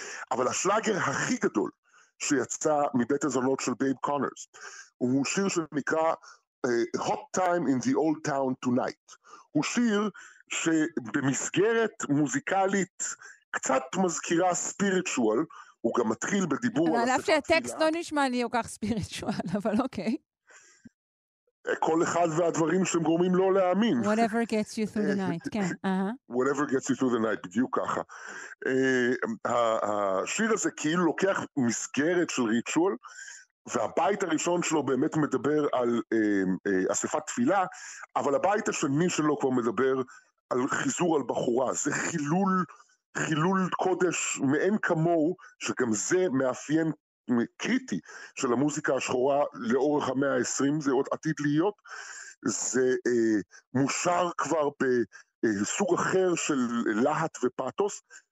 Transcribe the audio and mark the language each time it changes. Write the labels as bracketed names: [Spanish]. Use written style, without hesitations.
[Hebrew] אבל השלאגר הכי גדול, שיצא מבית הזונות של בייב קונרס, הוא שיר שנקרא Hot Time in the Old Town Tonight. הוא שיר שבמסגרת מוזיקלית קצת מזכירה ספיריטואל, הוא גם מתחיל בדיבור על אף שהטקסט לא נשמע לי הוא כך ספיריטואל, אבל אוקיי. כל אחד והדברים שהם גורמים לא להאמין. [English] Whatever gets you through the night, [Hebrew] כן. Uh-huh. [English] Whatever gets you through the night, [Hebrew] בדיוק ככה. השיר הזה כאילו לוקח מסגרת של ריטואל, והבית הראשון שלו באמת מדבר על אספת תפילה, אבל הבית השני שלו כבר מדבר על חיזור על בחורה. זה חילול קודש מעין כמוהו, שגם זה מאפיין קודש, קריטי של המוזיקה השחורה לאורך המאה ה-20, זה עוד עתיד להיות, זה מושר כבר בסוג אחר של להט ופאטוס.